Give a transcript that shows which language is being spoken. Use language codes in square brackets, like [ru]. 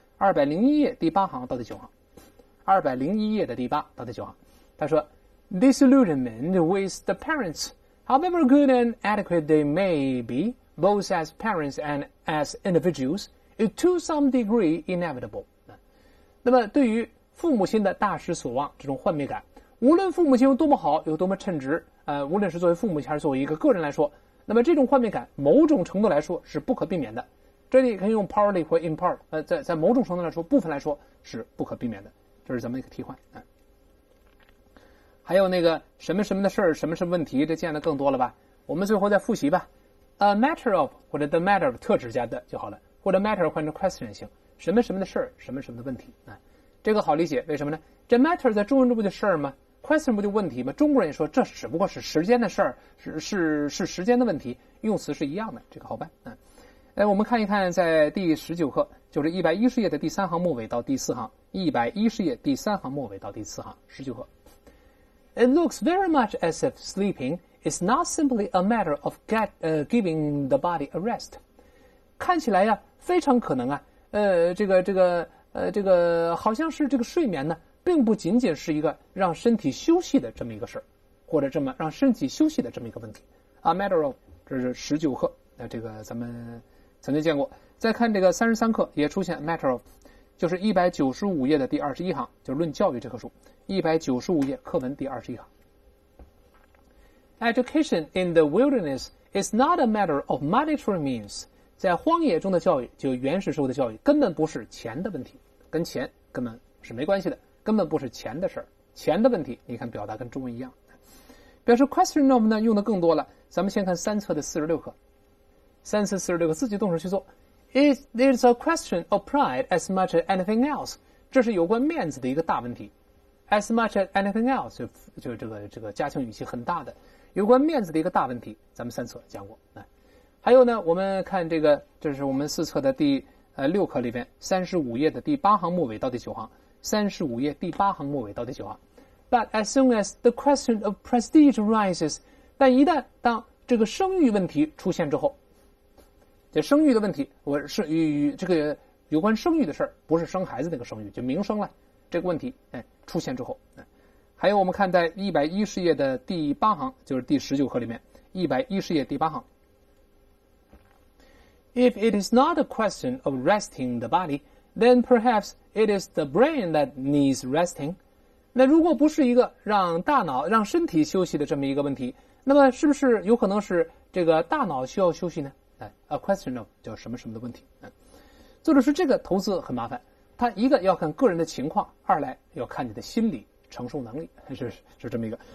[zh] 201页第8行到第9行，201页的第8到第9行，他说 [en] Disillusionment with the parents, however good and adequate they may be, both as parents and as individuals, is to some degree inevitable. [zh] 那么对于父母亲的大失所望这种幻灭感，无论父母亲有多么好，有多么称职，无论是作为父母亲还是作为一个个人来说，那么这种幻灭感某种程度来说是不可避免的。这里可以用 partly 或 in part， 在某种程度来说，部分来说是不可避免的，这是咱们一个替换。还有那个什么什么的事儿，什么什么问题，这见的更多了吧？我们最后再复习吧。A matter of 或者 the matter of 特指加的就好了，或者 matter 换成 question 型，什么什么的事儿，什么什么的问题啊？这个好理解，为什么呢？这 matter 在中文中不就事儿吗 ？question 不就问题吗？中国人也说这只不过是时间的事儿，是时间的问题，用词是一样的，这个好办。我们看一看在第19课，就是110页的第3行末尾到第4行，110页第3行末尾到第4行，19课。 [en] It looks very much as if sleeping is not simply a matter of giving the body a rest. [zh] 看起来呀，非常可能啊，这个好像是这个睡眠呢，并不仅仅是一个让身体休息的这么一个事儿，或者这么让身体休息的这么一个问题。 A matter of， 这是19课，那这个咱们曾经见过。再看这个33课也出现 matter of， 就是195页的第21行，就是论教育这棵树，195页课文第21行。 [en] Education in the wilderness is not a matter of monetary means， [zh] 在荒野中的教育，就原始社会的教育，根本不是钱的问题，跟钱根本是没关系的，根本不是钱的事，钱的问题。你看表达跟中文一样，表示 question of 呢用的更多了。咱们先看三册的46课，三次四十六个，自己动手去做。 [en] It's a question of pride as much as anything else. [zh] 这是有关面子的一个大问题。 [en] As much as anything else， [zh] 就这个加强语气很大的，有关面子的一个大问题。咱们三次讲过。还有呢，我们看这个，这是我们四册的第六课里边35页的第八行末尾到第九行，35页第八行末尾到第九行。 [en] But as soon as the question of prestige arises, [zh] 但一旦当这个声誉问题出现之后，这声誉的问题，我是与这个有关声誉的事儿，不是生孩子那个声誉，就名声了。这个问题，哎，出现之后，哎，还有我们看在110页的第八行，就是第19课里面，110页第八行。 [en] If it is not a question of resting the body, then perhaps it is the brain that needs resting. [zh] 那如果不是一个让大脑、让身体休息的这么一个问题，那么是不是有可能是这个大脑需要休息呢？哎 ，a question of 叫什么什么的问题。作者说这个投资很麻烦，它一个要看个人的情况，二来要看你的心理承受能力，是这么一个。